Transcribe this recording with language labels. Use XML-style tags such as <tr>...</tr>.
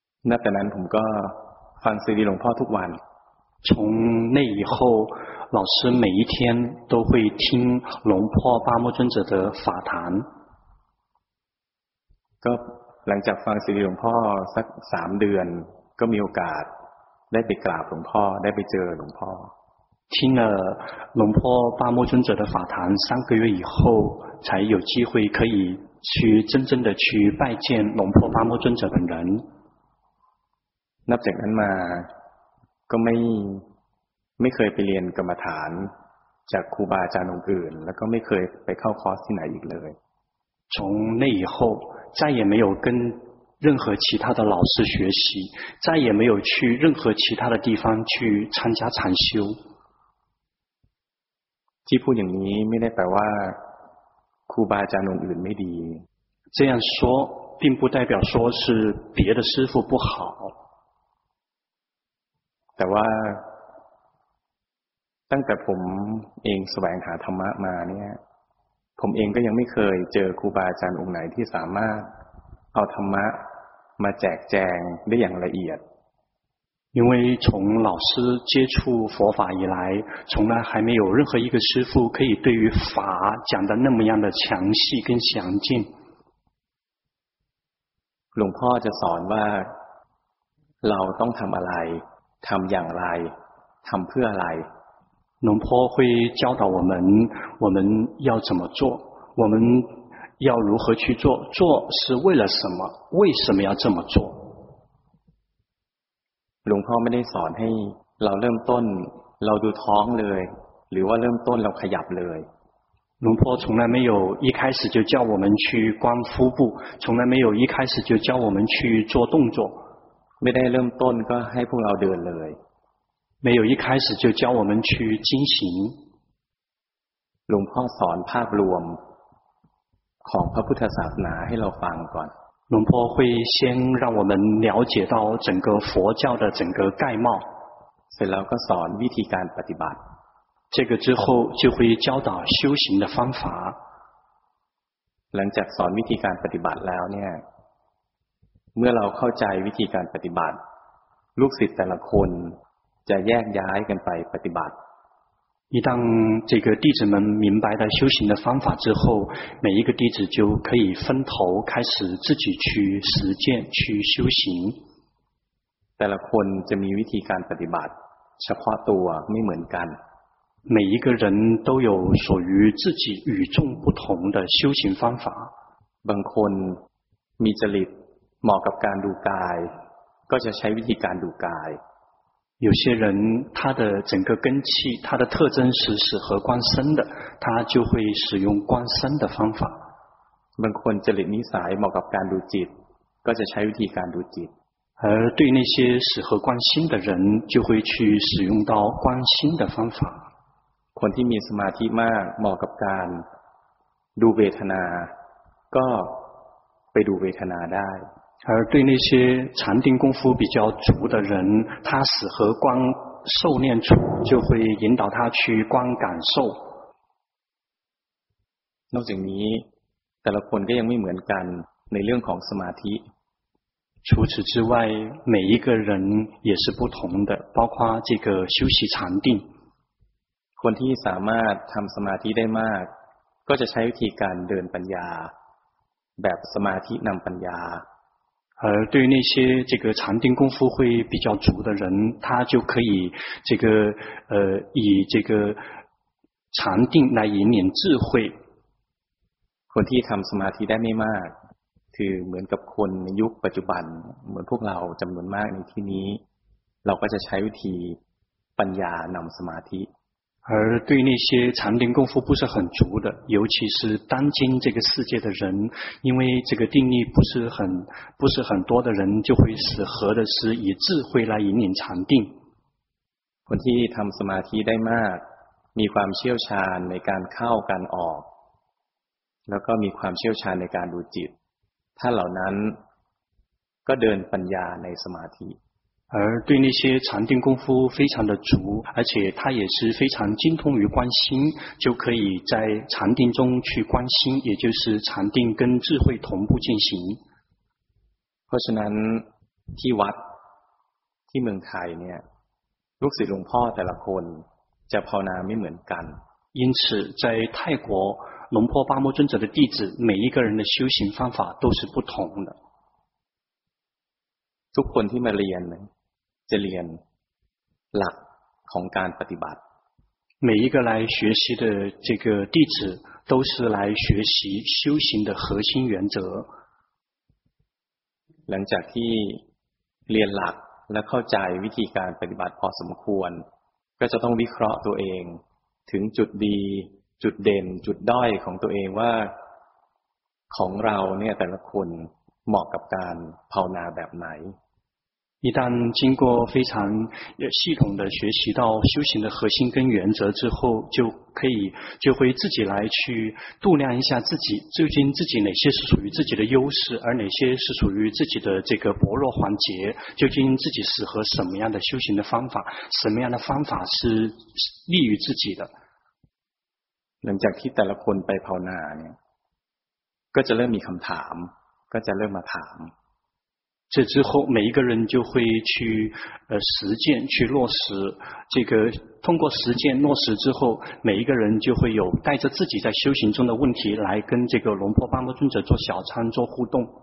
<th>那แต่นั้นผมก็ฟังซีดีหลวงพ่อทุกวัน</th> <zh>从那以后老师每一天都会听龙婆巴莫尊者的法坛</zh> <th>ก็หลังจากฟังซีดีหลวงพ่อสัก3เดือนก็มีโอกาสได้ไปกราบหลวงพ่อได้ไปเจอหลวงพ่อ</th> <zh>听了龙婆巴莫尊者的法坛三个月以后才有机会可以去真正的去拜见龙婆巴莫尊者本人</zh> <th>นับจากนั้นมาก็ไม่เคยไปเรียนกรรมฐานจากครูบาอาจารย์องค์อื่นแล้วก็ไม่เคยไปเข้าคอร์สที่ไหนอีกเลย</th> <zh>从那以后再也没有跟任何其他的老师学习再也没有去任何其他的地方去参加禅修</zh> <th>ที่พูดอย่างนี้ไม่ได้แปลว่าครูบาอาจารย์องค์อื่นไม่ดี</th> <zh>这样说并不代表说是别的师父不好</zh> <th>แต่ว่าตั้งแต่ผมเองแสวงหาธรรมะมาเนี่ยผมเองก็ยังไม่เคยเจอครูบาอาจารย์องค์ไหนที่สามารถเอาธรรมะ มาแจกแจงได้อย่างละเอียด</th> <zh>因为从老师接触佛法以来，从来还没有任何一个师父可以对于法讲的那么样的详细跟详尽。</zh> <th>หลวงพ่อจะสอนว่าเราต้องทำอะไรทำอย่างไรทำเพื่ออะไร</th> <zh>龙坡会教导我们我们要怎么做我们要如何去做做是为了什么为什么要这么做龙坡没得</zh> <th>สอนให้เราเริ่มต้นเราดูท้องเลยหรือว่าเริ่มต้นเราขยับเลย</th> <zh>龙坡从来没有一开始就教我们去观腹部从来没有一开始就教我们去做动作</zh> <th>ไม่ได้เริ่มต้นก็ให้พวกเราเดินเลย</th> <zh>没有一开始就教我们去进行</zh> <th>หลวงพ่อสอนภาพรวมของพระพุทธศาสนาให้เราฟังก่อน</th> <zh>หลวงพ่อ会先让我们了解到整个佛教的整个概貌</zh> <th>เสร็จแล้วก็สอนวิธีการปฏิบัติ</th> <zh>这个之后就会教导修行的方法</zh> <th>หลังจากสอนวิธีการปฏิบัติแล้วเนี่ยเมื่อเราเข้าใจวิธีการปฏิบัติลูกศิษย์แต่ละคนจะแยกย้ายกันไปปฏิบัติ</th> <zh>一旦这个弟子们明白了修行的方法之后每一个弟子就可以分头开始自己去实践去修行</zh> <th>แต่ละคนจะมีวิธีการปฏิบัติเฉพาะตัวไม่เหมือนกัน</th> <zh>每一个人都有属于自己与众不同的修行方法</zh> <th>บางคนมีจริตเหมาะกับการดูกายก็จะใช้วิธีการดูกาย</th> <zh>有些人他的整个根气他的特征是适合观身的他就会使用观身的方法</zh> <th>บางคนจริตนิสัยเหมาะกับการดูจิตก็จะใช้วิธีการดูจิต</th> <zh>而对那些适合观心的人就会去使用到观心的方法</zh> <th>คนที่มีสมาธิมากเหมาะกับการดูเวทนาก็ไปดูเวทนาได้</th> <zh>而对那些禅定功夫比较足的人他适合观受念处就会引导他去观感受</zh> <th>นอกจากนี้แต่ละคนก็ยังไม่เหมือนกันในเรื่องของสมาธิ</th> <zh>除此之外每一个人也是不同的包括这个修习禅定</zh> <th>คนที่สามารถทำสมาธิได้มากก็จะใช้วิธีการเดินปัญญาแบบสมาธินำปัญญา</th> <zh>而对那些这个禅定功夫会比较足的人他就可以这个以这个禅定来引领智慧</zh> <th>คนที่ทำสมาธิได้ไม่มากคือเหมือนกับคนในยุคปัจจุบันเหมือนพวกเราจำนวนมากในที่นี้เราก็จะใช้วิธีปัญญานำสมาธิ</th> <zh>而对那些禅定功夫不是很足的尤其是当今这个世界的人因为这个定力不是很多的人就会适合的是以智慧来引领禅定</zh> <th>คนที่ทำสมาธิได้มากมีความเชี่ยวชาญในการเข้าการออกแล้วก็มีความเชี่ยวชาญในการดูจิตถ้าเหล่านั้นก็เดินปัญญาในสมาธิ</th> <zh>而对那些禅定功夫非常的足而且他也是非常精通于观心就可以在禅定中去观心也就是禅定跟智慧同步进行</zh> <th>เพราะฉะนั้นที่วัดที่เมืองไทยเนี่ยลูกศิษย์หลวงพ่อแต่ละคนจะภาวนาไม่เหมือนกัน</th> <zh>因此在泰国龙坡八摩尊者的弟子每一个人的修行方法都是不同的</zh> <th>ทุกคนที่มาเรียนจะเรียนหลักของการปฏิบัติ</th> <zh>每一个来学习的这个弟子都是来学习修行的核心原则</zh> <th>หลังจากที่เรียนหลักและเข้าใจวิธีการปฏิบัติพอสมควรก็จะต้องวิเคราะห์ตัวเองถึงจุดดีจุดเด่นจุดด้อยของตัวเองว่าของเราเนี่ยแต่ละคนเหมาะกับการภาวนาแบบไหน</th> <zh>一旦经过非常系统的学习到修行的核心跟原则之后就可以就会自己来去度量一下自己究竟自己哪些是属于自己的优势而哪些是属于自己的这个薄弱环节究竟自己适合什么样的修行的方法什么样的方法是利于自己的</zh> <th>หลังจากที่แต่ละคนไปภาวนาเนี่ยก็จะเริ่มมีคำถามก็จะเริ่มมาถาม</th> <zh>这之后每一个人就会去实践去落实，这个通过实践落实之后，每一个人就会有带着自己在修行中的问题来跟这个龙婆巴摩尊者做小参做互动。</zh>